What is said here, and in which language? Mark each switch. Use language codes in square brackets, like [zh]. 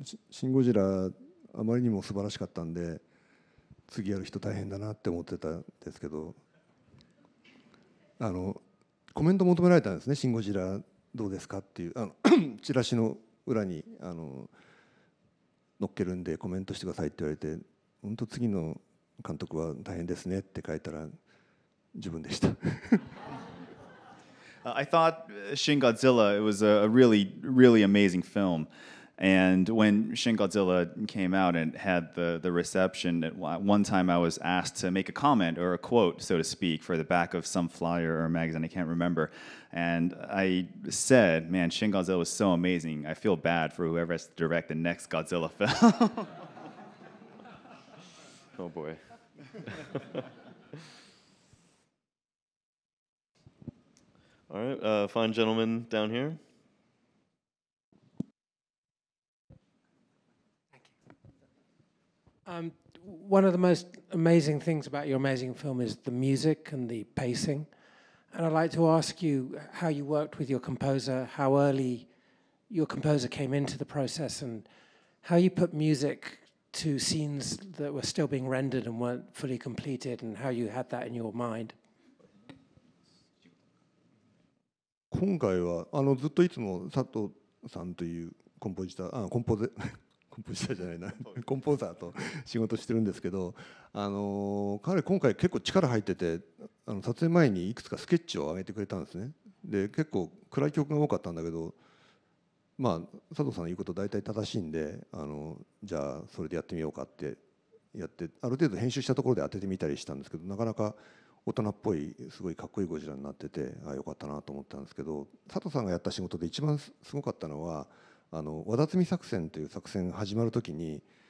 [ja] Shin Godzilla, あまりにも素晴らしかったんで、次やる人大変だなって思ってたんですけど、あの、コメント求められたんですね、シンゴジラ。どうですかっていうあのチラシの裏にあの載っけるんでコメントしてくださいって言われて本当次の監督は大変ですねって書いたら自分でした。 [en] I thought Shin Godzilla it was a really really amazing film and when Shin Godzilla came out and had the reception at one time I was asked to make a comment or a quote so to speak for the back of some flyer or magazine I can't remember. And I said, man, Shin Godzilla was so amazing. I feel bad for whoever has to direct the next Godzilla film. Oh, boy. All right, fine gentleman down here. Thank you. One of the most amazing things about your amazing film is the music and the pacing. And I'd like to ask you how you worked with your composer, how early your composer came into the process, and how you put music to scenes that were still being rendered and weren't fully completed, and how you had that in your mind. [ja] 今回はあのずっといつも佐藤さんというコンポジター、あ、コンポゼ、コンポジターじゃないな、コンポーザーと仕事してるんですけど、あの彼今回結構力入ってて。あの撮影前にいくつかスケッチを上げてくれたんですね。で結構暗い曲が多かったんだけど、まあ佐藤さんの言うこと大体正しいんで、あのじゃあそれでやってみようかってやって、ある程度編集したところで当ててみたりしたんですけど、なかなか大人っぽいすごいかっこいいゴジラになってて、ああよかったなと思ったんですけど、佐藤さんがやった仕事で一番すごかったのは、あの和田摘作戦という作戦が始まるときに